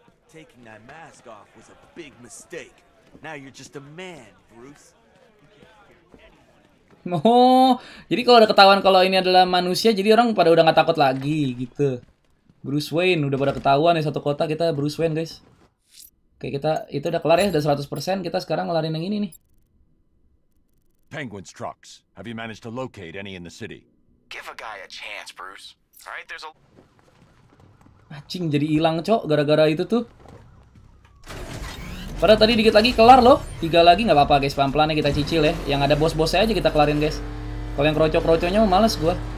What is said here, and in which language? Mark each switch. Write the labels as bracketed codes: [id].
[en] Taking that mask off was a big mistake. Now you're just a man, Bruce. [id] Oh, jadi kalau ada ketahuan kalau ini adalah manusia, jadi orang pada udah nggak takut lagi gitu. Bruce Wayne udah pada ketahuan ya, satu kota kita Bruce Wayne, guys. Oke, kita itu udah kelar ya, udah 100%. Kita sekarang ngelarin yang ini nih. [en] Penguin's trucks. Have you managed to locate any in the city? Give a guy a chance, Bruce. All right, there's a [id] Acing, jadi hilang cok gara-gara itu tuh. Padahal tadi dikit lagi kelar loh. 3 lagi gak apa-apa guys, pelan-pelan ya kita cicil ya. Yang ada bos-bosnya aja kita kelarin guys. Kalau yang kroco-kroconya mah males gue.